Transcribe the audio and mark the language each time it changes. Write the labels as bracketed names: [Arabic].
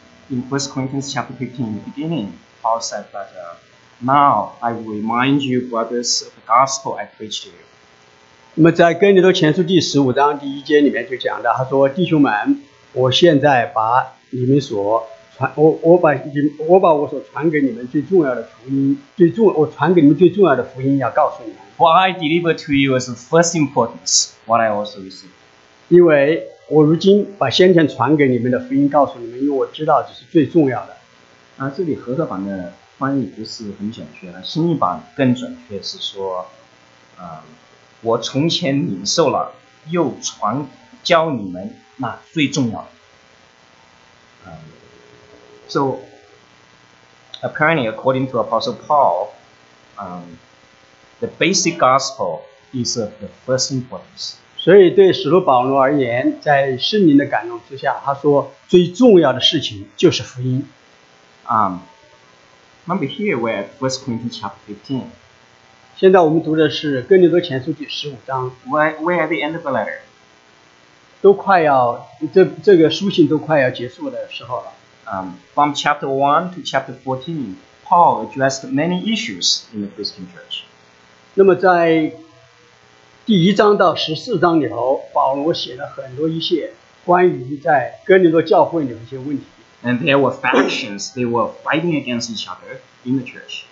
[English] In 1 Corinthians chapter 15, in the beginning, Paul said that now I will remind you, brothers, of the gospel I preached to you. [Chinese] 那么在哥林多前书第十五章第一节里面就讲到，他说：“弟兄们，我现在把你们所传，我把我所传给你们最重要的福音，最重我传给你们最重要的福音要告诉你们。” [English] For I deliver to you as of first importance what I also received. [Chinese] 因为我如今把先前传给你们的福音告诉你们，因为我知道这是最重要的。这里和合版的翻译不是很准确，新译版更准确是说，我从前领受了，又传教你们那最重要的。 [English] So apparently, according to Apostle Paul, the basic gospel is of the first importance. [Chinese] 所以对使徒保罗而言，在圣灵的感动之下，他说最重要的事情就是福音。 [English] Remember here we're at 1 Corinthians chapter 15. [Chinese] 现在我们读的是哥林多前书第十五章。 [English] Where at the end of the letter? [Chinese] 都快要这个书信都快要结束的时候了。 [English] From chapter 1 to chapter 14, Paul addressed many issues in the Christian church. [Chinese] 那么在第一章到十四章里头，保罗写了很多一些关于在哥林多教会里的一些问题。 [English] And there were factions, they were fighting against each other in the church.